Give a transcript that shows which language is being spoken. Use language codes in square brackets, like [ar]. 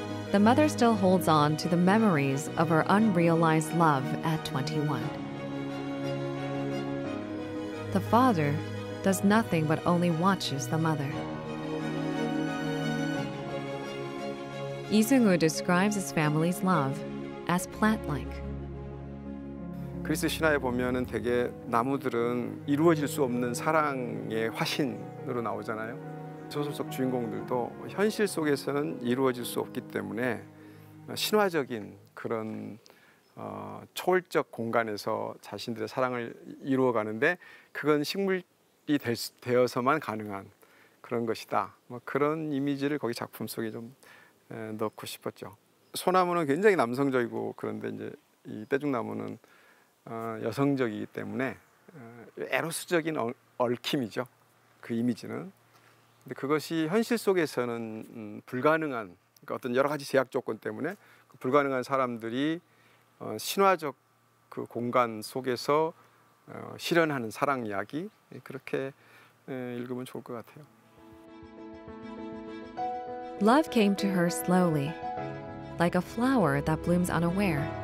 [en] The mother still holds on to the memories of her unrealized love at 21. The father does nothing but only watches the mother. 이승우 describes his family's love as plant-like. [ko] 그리스 신화에 보면은 되게 나무들은 이루어질 수 없는 사랑의 화신으로 나오잖아요. 소설 속 주인공들도 현실 속에서는 이루어질 수 없기 때문에 신화적인 그런 초월적 공간에서 자신들의 사랑을 이루어 가는데 그건 식물 이 되어서만 가능한 그런 것이다. 뭐 그런 이미지를 거기 작품 속에 좀 넣고 싶었죠. 소나무는 굉장히 남성적이고 그런데 이제 이 떼죽나무는 여성적이기 때문에 에로스적인 얽힘이죠. 그 이미지는. 근데 그것이 현실 속에서는 불가능한 그러니까 어떤 여러 가지 제약 조건 때문에 그 불가능한 사람들이 신화적 그 공간 속에서 실현하는 사랑 이야기 그렇게 읽으면 좋을 것 같아요. [en] Love came to her slowly, like a flower that blooms unaware.